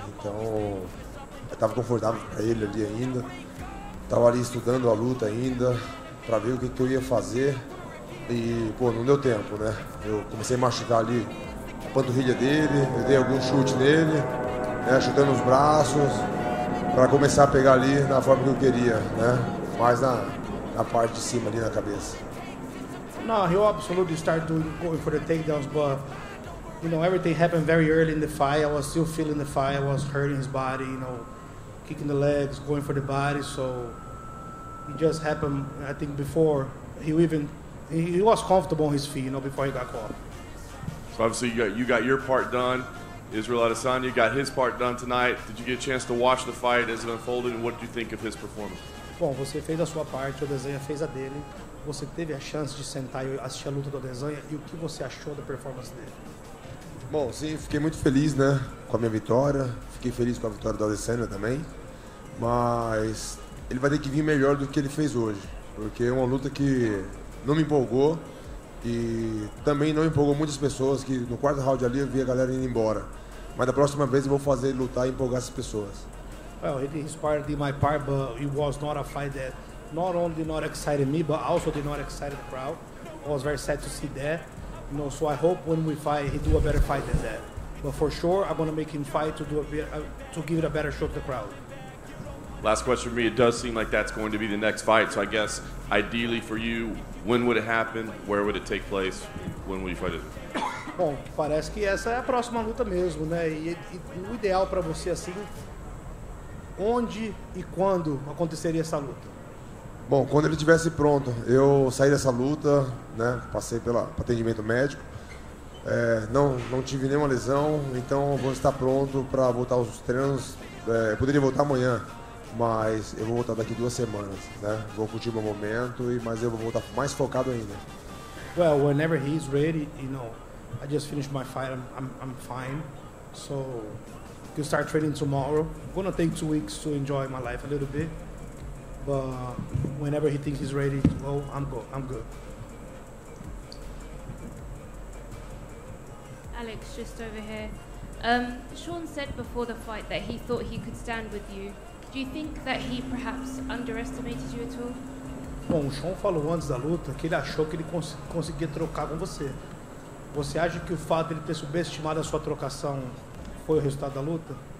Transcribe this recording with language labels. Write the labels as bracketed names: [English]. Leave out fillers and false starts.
[Portuguese] Então eu tava confortável para ele ali ainda, tava ali estudando a luta ainda para ver o que eu ia fazer. E, pô, não deu tempo, né? Eu comecei a machucar ali a panturrilha dele, eu dei algum chute nele, né? Chutando os braços, pra começar a pegar ali da forma que eu queria, né? Mais na parte de cima ali na cabeça. Não, [English] he absolutely started going for the takedowns, but, you know, everything happened very early in the fight. I was still feeling the fight, I was hurting his body, you know, kicking the legs, going for the body, so it just happened, I think, before he even... He was comfortable on his feet, you know, before he got caught. So obviously you got your part done. Israel Adesanya got his part done tonight. Did you get a chance to watch the fight as it unfolded, and what did you think of his performance? [Portuguese] Bom, você fez a sua parte, o Adesanya fez a dele. Você teve a chance de sentar e assistir a luta do Adesanya, e o que você achou da performance dele? Bom, sim, fiquei muito feliz, né, com a minha vitória. Fiquei feliz com a vitória do Adesanya também. Mas ele vai ter que vir melhor do que ele fez hoje, porque é uma luta que não me empolgou e também não empolgou muitas pessoas, que no quarto round ali eu vi a galera indo embora. Mas da próxima vez eu vou fazer ele lutar e empolgar essas pessoas. [English] Well, it is part of my part, but it was not a fight that not only did not excite me, but also did not excite the crowd. I was very sad to see that. You know, so I hope when we fight, he do a better fight than that. But for sure, I'm going to make him fight to do a bit, to give it a better show to the crowd. Last question for me. It does seem like that's going to be the next fight. So I guess, ideally for you, when would it happen? Where would it take place? When would you fight it? [Portuguese] Bom, parece que essa é a próxima luta mesmo, né? E o ideal para você, assim, onde e quando aconteceria essa luta? Bom, quando ele estivesse pronto, eu saí dessa luta, né? Passei pelo atendimento médico. É, não tive nenhuma lesão, então vou estar pronto para voltar aos treinos. É, poderia voltar amanhã. Mas eu vou voltar daqui 2 semanas, né? Vou curtir meu momento, mas eu vou voltar mais focado ainda. [English] Well, whenever he's ready, you know, I just finished my fight, I'm fine. So, you start training tomorrow. I'm gonna take 2 weeks to enjoy my life a little bit. But whenever he thinks he's ready to go, I'm good. Alex, just over here. Sean said before the fight that he thought he could stand with you. Do you think that he perhaps underestimated you at all? [Portuguese] Bom, o Sean falou antes da luta que ele achou que ele conseguia trocar com você. Você acha que o fato de ele ter subestimado a sua trocação foi o resultado da luta?